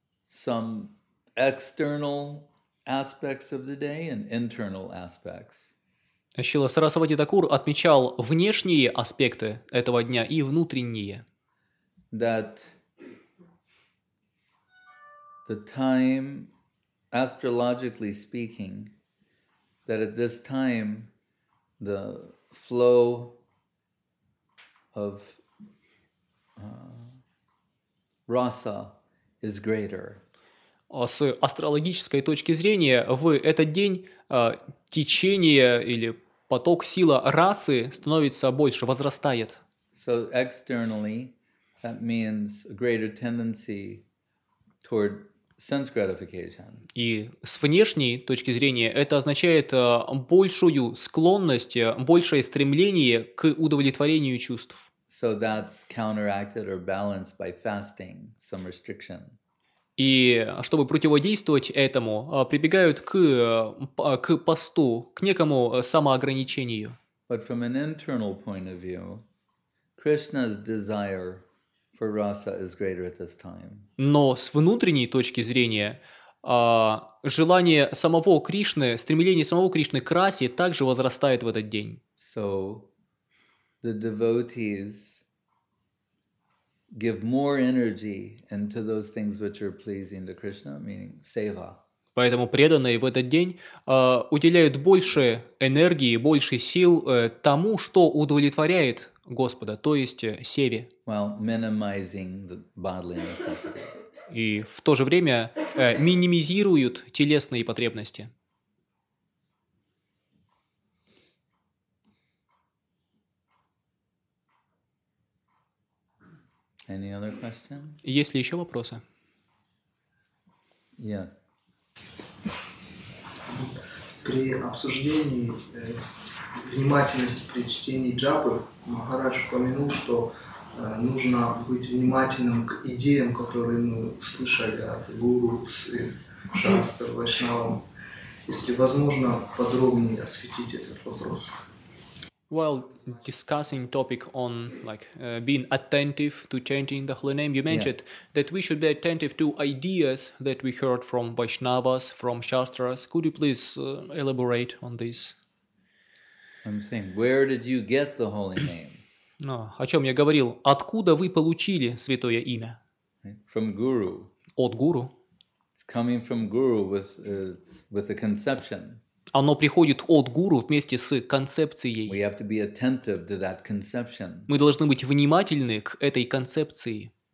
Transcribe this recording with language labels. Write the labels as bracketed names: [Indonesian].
[English] some external aspects of the day and internal aspects. [Russian] Шрила Сарасвати Такур отмечал внешние аспекты этого дня и внутренние. [English] That the time, astrologically speaking, that at this time the flow of rasa is greater. [Russian] С астрологической точки зрения, в этот день течение или поток силы расы становится больше, возрастает. [English] So externally, that means a greater tendency toward sense gratification. [Russian] И с внешней точки зрения, это означает большую склонность, большее стремление к удовлетворению чувств. [English] So that's counteracted or balanced by fasting, some restriction. [Russian] И чтобы противодействовать этому, прибегают к посту, к некому самоограничению. [English] But from an internal point of view, Krishna's desire for rasa is greater at this time. [Russian] Но с внутренней точки зрения, желание самого Кришны, стремление самого Кришны к расе также возрастает в этот день. [English] So the devotees give more energy into those things which are pleasing to Krishna, meaning seva. [Russian] Поэтому преданные в этот день уделяют больше энергии, больше сил тому, что удовлетворяет Господа, то есть севе. [English] While minimizing the bodily necessities. [Russian] И в то же время минимизируют телесные потребности. [English] Any other question? [Russian] Есть ли еще вопросы? [English] Yeah. [Russian] При обсуждении внимательности при чтении джапы Махарадж упомянул, что нужно быть внимательным к идеям, которые мы слышали от гуру, шастр, вайшнавам. Если возможно, подробнее осветить этот вопрос. [English] While discussing topic on like being attentive to chanting the holy name, you mentioned that we should be attentive to ideas that we heard from Vaishnavas, from Shastras. Could you please elaborate on this? I'm saying, where did you get the holy name? [Russian] No, о чем я говорил? Откуда вы получили святое имя? [English] From Guru. [Russian] От Гуру. [English] It's coming from Guru with a conception. [Russian] Оно приходит от гуру вместе с концепцией. [English] We have to be attentive to that conception. [Russian] Мы должны быть внимательны к этой концепции.